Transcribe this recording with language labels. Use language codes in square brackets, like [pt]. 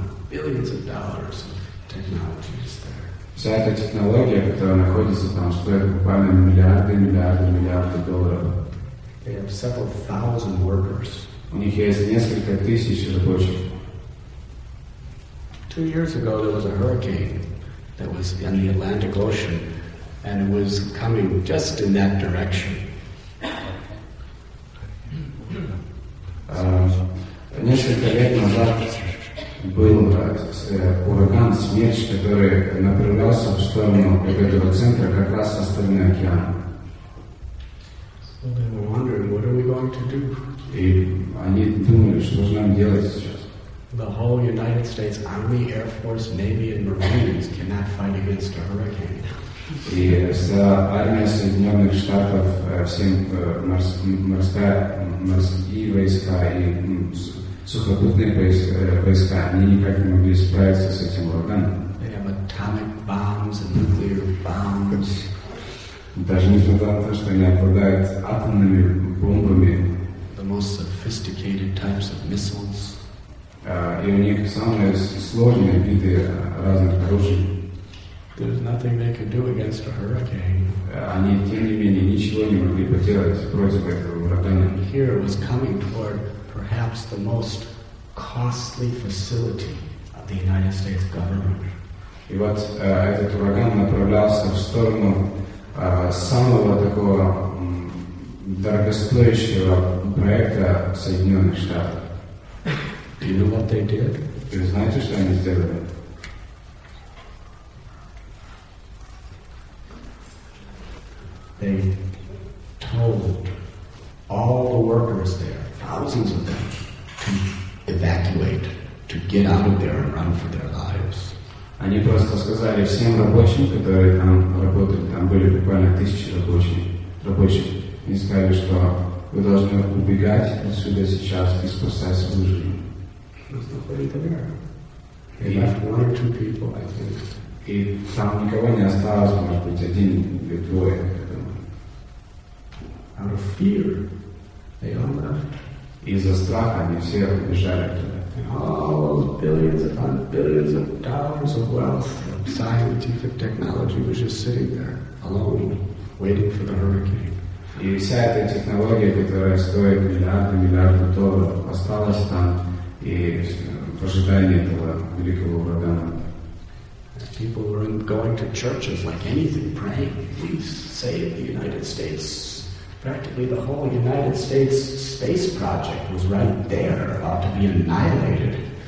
[en] Billions upon billions of dollars of technology is there. [ru] Вся эта технология, которая находится там, стоит буквально миллиарды долларов. [en] They have several thousand workers. [ru] У них есть несколько тысяч рабочих. [en] 2 years ago there was a hurricane that was in the Atlantic Ocean and it was coming just in that direction. [ru] Несколько лет назад был ураган Смерч, который направлялся в сторону этого центра как раз со стороны океана. [en] So they were wondering, what are we going to do? [ru] И они думали, что же нам делать сейчас? [en] The whole United States Army, Air Force, Navy, and Marines cannot fight against a hurricane. [ru] И вся армия Соединенных Штатов, все морские войска и сухопутные войска, они никак не могли справиться с этим ураганом. [en] They have atomic bombs and nuclear bombs. [ru] Даже несмотря на то, что они обладают атомными бомбами. [en] The most sophisticated types of missiles. [ru] И у них самые сложные виды разных оружий. [en] There's nothing they can do against a hurricane. [ru] Они, тем не менее, ничего не могли поделать против этого урагана. [en] Here was coming toward perhaps the most costly facility of the United States government. [ru] И вот этот ураган направлялся в сторону самого такого дорогостоящего проекта Соединенных Штатов. [en] Do you know what they did? [ru] Вы знаете, что они сделали? [en] They told all the workers there, thousands of them, to evacuate, to get out of there and run for their lives. [ru] Они просто сказали всем рабочим, которые там работали, там были буквально тысячи рабочих, и сказали, что вы должны убегать отсюда сейчас и спасать свою жизнь. [en] He's not really there. He left one or two people, I think. [ru] И там никого не осталось, может быть, один или двое, я думаю. [en] Out of fear, they all left. [ru] Из-за страха они все убежали туда. [en] All billions upon billions of dollars of wealth from scientific technology was just sitting there alone, waiting for the hurricane. [ru] И вся эта технология, которая стоит миллиарды, миллиарды долларов, осталась там и в ожидании этого великого урагана. [en] People weren't going to churches like anything, praying, please save the United States. Practically the whole United States space project was right there, about to be annihilated.